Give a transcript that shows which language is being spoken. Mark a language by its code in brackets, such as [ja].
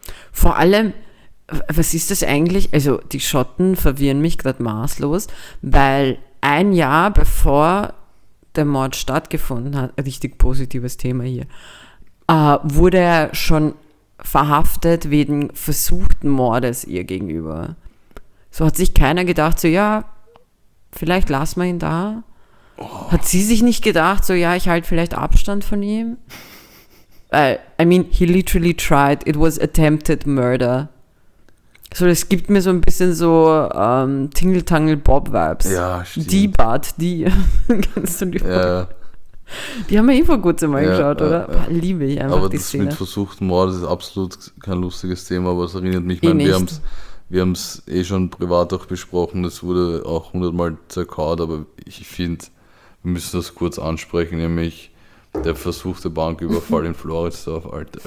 [de] Vor allem, was ist das eigentlich? Also, die Schotten verwirren mich gerade maßlos, weil ein Jahr bevor der Mord stattgefunden hat, richtig positives Thema hier, wurde er schon verhaftet wegen versuchten Mordes ihr gegenüber. So hat sich keiner gedacht, so ja, vielleicht lassen wir ihn da. Oh. Hat sie sich nicht gedacht, so ja, ich halte vielleicht Abstand von ihm. [en] I mean, he literally tried, it was attempted murder. [de] So, das gibt mir so ein bisschen so Tingle-Tangle-Bob-Vibes. Ja, stimmt. Die Bart, die. Kennst du die Frage? Ja. Die haben wir eh vor kurzem mal geschaut, oder? Boah, liebe ich einfach aber die Szene. Aber das mit versuchtem Mord ist absolut kein lustiges Thema, aber es erinnert mich, ich meine, wir haben es eh schon privat auch besprochen, das wurde auch 100-mal zerkaut, aber ich finde, wir müssen das kurz ansprechen, nämlich der versuchte Banküberfall in Floridsdorf, Alter.